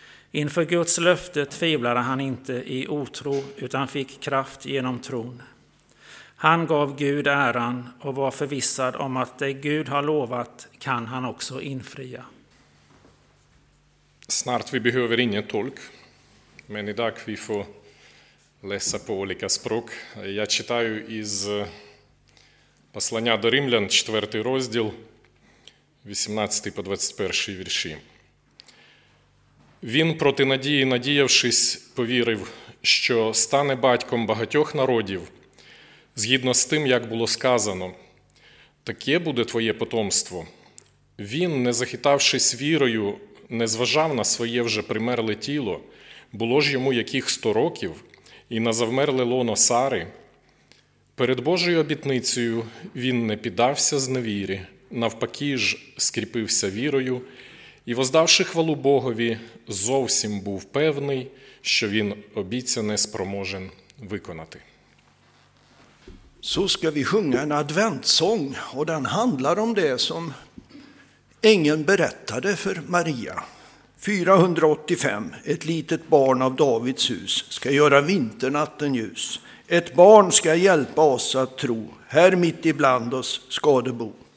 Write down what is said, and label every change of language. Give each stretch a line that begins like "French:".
Swedish: Inför Guds löfte tvivlade han inte i otro utan fick kraft genom tron. Han gav Gud äran och var förvissad om att det Gud har lovat kan han också infria. Snart vi behöver ingen tolk, men idag vi får läsa på olika språk. Jag citerar ur
Ukrainian: послания до римлян, 4 раздел, 18-21 вірші. Він проти надії, надіявшись, повірив, що стане батьком багатьох народів, згідно з тим, як було сказано, таке буде твоє потомство. Він, не захитавшись вірою, не зважав на своє вже примерле тіло, було ж йому яких 100 років, і на завмерле лоно Сари. Перед Божою обітницею він не піддався зневірі, навпаки ж скріпився вірою, і воздавши хвалу Богові, зовсім був певний, що він обіцяне спроможен виконати.
Swedish: Så ska vi sjunga en adventsång, och den handlar om det som ängeln berättade för Maria. 485, ett litet barn av Davids hus ska göra vinternatten ljus. Ett barn ska hjälpa oss att tro, här mitt ibland oss ska det bo.